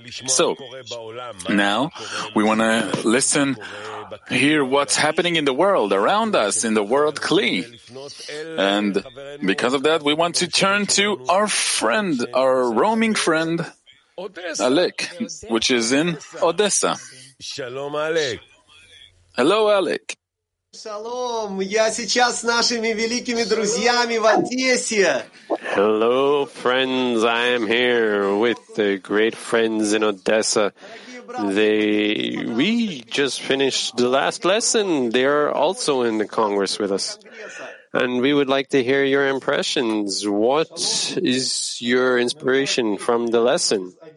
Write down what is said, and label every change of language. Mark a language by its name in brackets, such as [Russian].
[English] So, now we want to listen, hear what's happening in the world, around us, in the world, Kli. And because of that, we want to turn to our friend, our roaming friend, Alec, which is in Odessa. Shalom, Alec. Hello, Alec. Shalom. [Russian] Я сейчас с нашими великими друзьями в Одессе. [English] Hello, friends. I am here with the great friends in Odessa. We just finished the last lesson. They are also in the Congress with us. And we would like to hear your impressions. What is your inspiration from the lesson?